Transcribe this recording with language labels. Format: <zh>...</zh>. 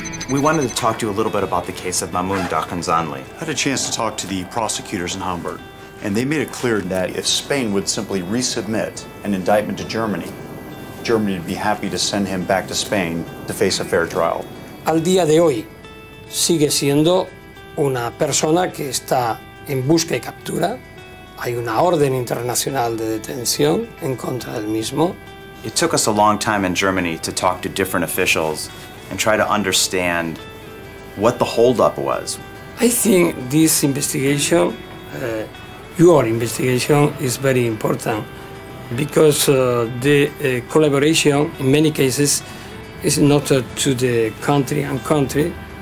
<en>We wanted to talk to you a little bit about the case of Mamoun Darkazanli. I had a chance to talk to the prosecutors in Hamburg, and they made it clear that if Spain would simply resubmit an indictment to Germany, Germany would be happy to send him back to Spain to face a fair trial.</en> <es>Al día de hoy, sigue siendo una persona que está en busca y captura. Hay una orden internacional de detención en contra del mismo.</es> <en>It took us a long time in Germany to talk to different officials and try to understand what the holdup was. I think this investigation, your investigation, is very important because the collaboration, in many cases, is not to the country and country.</en>